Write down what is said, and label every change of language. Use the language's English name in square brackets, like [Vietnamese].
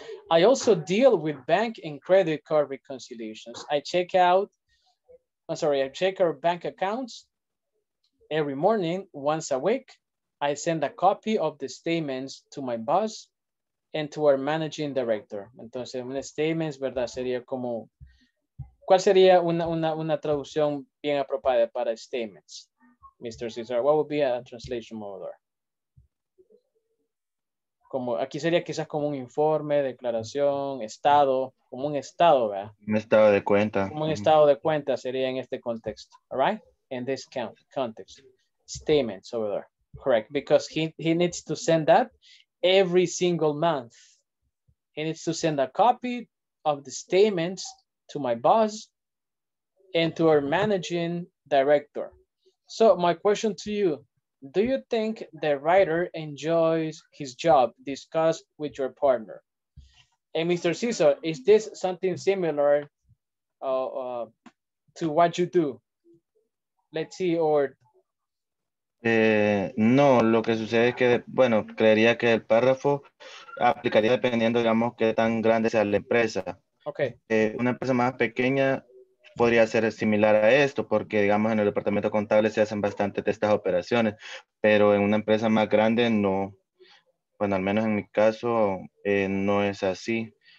[English] I also deal with bank and credit card reconciliations. I check our bank accounts every morning, once a week. I send a copy of the statements to my boss and to our managing director. [Spanish] Entonces, un statement, ¿verdad? Sería como, ¿cuál sería una traducción bien apropiada para statements? Mr. [English] Cesar, what would be a translation model? [Spanish] Como aquí sería quizás como un informe, declaración, estado, como un estado, ¿verdad? Un estado de cuenta. Como un estado de cuenta sería en este contexto, [English] all right? In this context, statements over there, correct? Because he needs to send that every single month. He needs to send a copy of the statements to my boss and to our managing director. So my question to you, do you think the writer enjoys his job? Discuss with your partner. And Mr. Cesar, is this something similar to what you do? Let's see, or... [Spanish] No, lo que sucede es que, bueno, creería que el párrafo aplicaría dependiendo, digamos, qué tan grande sea la empresa. [English] Okay. [Spanish] Una empresa más pequeña, podría ser similar a esto, porque digamos en el departamento contable se hacen bastantes de estas operaciones, pero en una empresa más grande no, bueno, al menos en mi caso no es así.